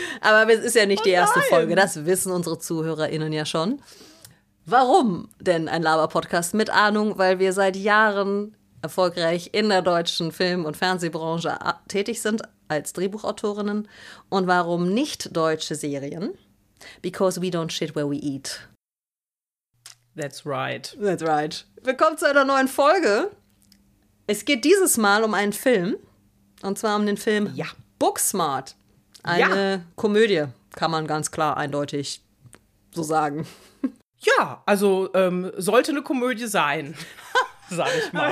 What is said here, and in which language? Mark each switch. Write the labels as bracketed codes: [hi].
[de] Aber es ist ja nicht erste Folge, das wissen unsere ZuhörerInnen ja schon. Warum denn ein Laber-Podcast mit Ahnung? Weil wir seit Jahren erfolgreich in der deutschen Film- und Fernsehbranche tätig sind als Drehbuchautorinnen. Und warum nicht deutsche Serien? [en] Because we don't shit where we eat. That's right. That's right. [de] Willkommen zu einer neuen Folge. Es geht dieses Mal um einen Film. Und zwar um den Film Booksmart. Eine Komödie, kann man ganz klar eindeutig so sagen. Ja, also sollte eine Komödie sein, sag ich mal.